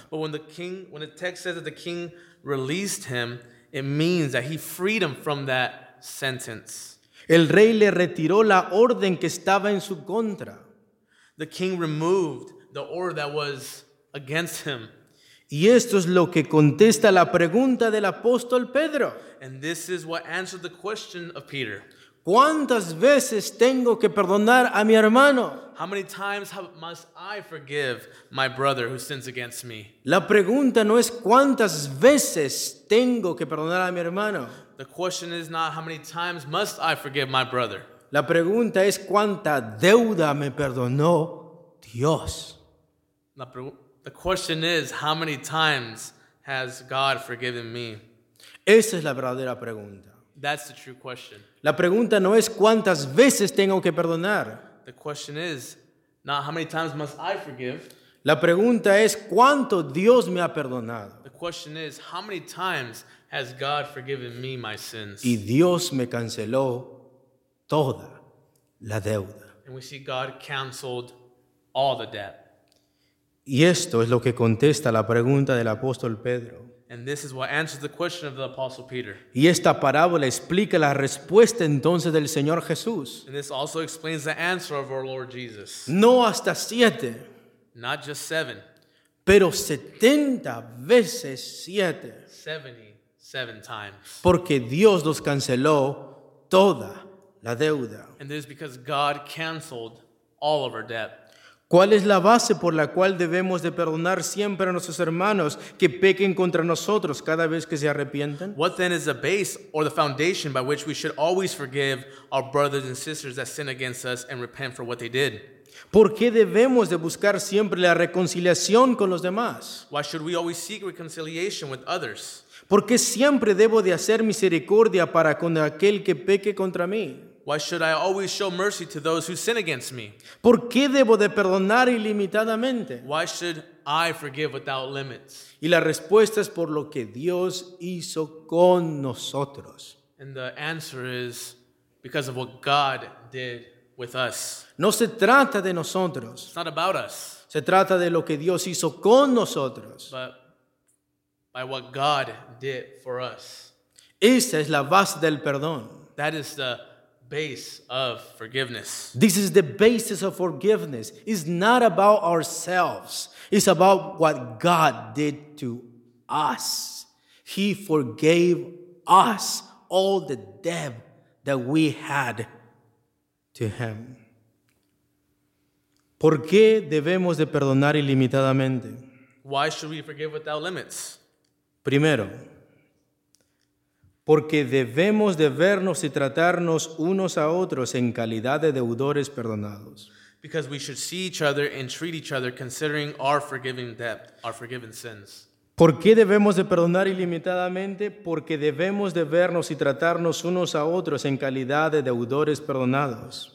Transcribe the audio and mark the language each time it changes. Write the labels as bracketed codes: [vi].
[en] But when the text says that the king released him, it means that he freed him from that sentence. [es] El rey le retiró la orden que estaba en su contra. [en] The king removed the order that was against him. [es] Y esto es lo que contesta la pregunta del apóstol Pedro. [en] And this is what answered the question of Peter. [es] ¿Cuántas veces tengo que perdonar a mi hermano? [en] How many times must I forgive my brother who sins against me? [es] La pregunta no es cuántas veces tengo que perdonar a mi hermano. [en] The question is not how many times must I forgive my brother. [es] La pregunta es cuánta deuda me perdonó Dios. [en] The question is how many times has God forgiven me? [es] Esa es la verdadera pregunta. [en] That's the true question. [es] La pregunta no es cuántas veces tengo que perdonar. [en] The question is not how many times must I forgive. [es] La pregunta es cuánto Dios me ha perdonado. [en] The question is how many times has God forgiven me my sins? [es] Y Dios me canceló toda la deuda. [en] And we see God canceled all the debt. [es] Y esto es lo que contesta la pregunta del apóstol Pedro. [en] And this is what answers the question of the apostle Peter. [es] Y esta parábola explica la respuesta entonces del Señor Jesús. [en] And this also explains the answer of our Lord Jesus. [es] No hasta siete. [en] Not just seven. [es] Pero 70 veces siete. [en] 77 times. [es] Porque Dios nos canceló toda la deuda. [en] And this is because God canceled all of our debt. [es] ¿Cuál es la base por la cual debemos de perdonar siempre a nuestros hermanos que pequen contra nosotros cada vez que se arrepienten? [en] What then is the base or the foundation by which we should always forgive our brothers and sisters that sin against us and repent for what they did? [es] ¿Por qué debemos de buscar siempre la reconciliación con los demás? [en] Why should we always seek reconciliation with others? [es] ¿Por qué siempre debo de hacer misericordia para con aquel que peque contra mí? [en] Why should I always show mercy to those who sin against me? [es] ¿Por qué debo de perdonar ilimitadamente? [en] Why should I forgive without limits? [es] Y la respuesta es por lo que Dios hizo con nosotros. [en] And the answer is because of what God did with us. [es] No se trata de nosotros. [en] It's not about us. [es] Se trata de lo que Dios hizo con nosotros. [en] But by what God did for us. [es] Esta es la base del perdón. [en] That is the base of forgiveness. This is the basis of forgiveness. It's not about ourselves. It's about what God did to us. He forgave us all the debt that we had to him. [es] ¿Por qué debemos de perdonar ilimitadamente? [en] Why should we forgive without limits? [es] Primero, porque debemos de vernos y tratarnos unos a otros en calidad de deudores perdonados. [en] Because we should see each other and treat each other considering our forgiven debt, our forgiven sins. [es] ¿Por qué debemos de perdonar ilimitadamente? Porque debemos de vernos y tratarnos unos a otros en calidad de deudores perdonados.